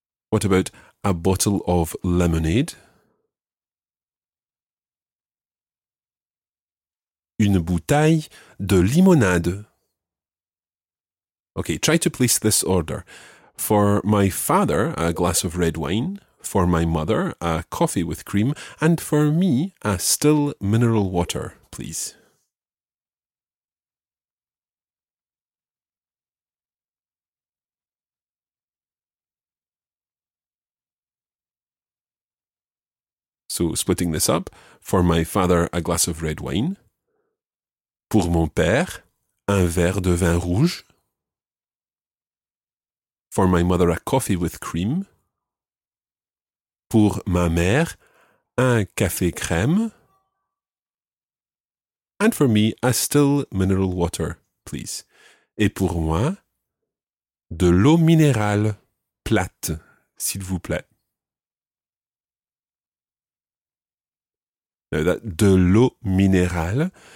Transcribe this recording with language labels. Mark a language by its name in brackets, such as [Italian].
[English] What about a bottle of lemonade? [French] Une bouteille de limonade. [English] Okay, try to place this order. For my father, a glass of red wine. For my mother, a coffee with cream. And for me, a still mineral water, please. So, splitting this up, for my father, a glass of red wine. [French] Pour mon père, un verre de vin rouge. [English] For my mother, a coffee with cream. [French] Pour ma mère, un café crème. [English] And for me, a still mineral water, please. [French] Et pour moi, de l'eau minérale plate, s'il vous plaît. [English] Now that [French] de l'eau minérale